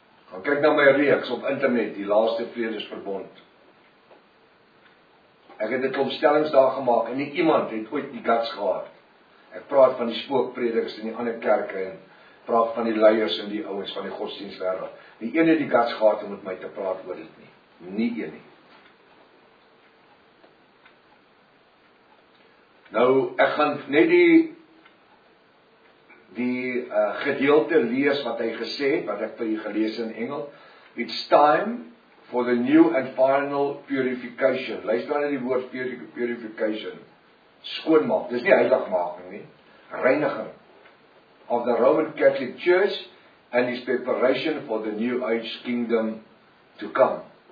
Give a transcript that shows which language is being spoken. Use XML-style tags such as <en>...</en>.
<af>Gaan kyk na my reeks op internet, die laaste vredesverbond. Ek het 'n klomp stellings daar gemaak, en nie iemand het ooit die guts gehad. Ek praat van die spookpredikers in die ander kerke, en praat van die leiers en die ouens van die godsdienstwêreld. Nie een het die guts gehad om met my te praat oor dit nie. Nie een nie. Nou, ek gaan net die gedeelte lees wat hy gesê het, wat ek vir u gelees in Engel.</af> <en>It's time for the new and final purification.</en> <af>Luister na die woord purification. Skoonmaak, dis nie heiligmaking nie.</af> <en>Reiniging of the Roman Catholic Church and its preparation for the new age kingdom to come.</en>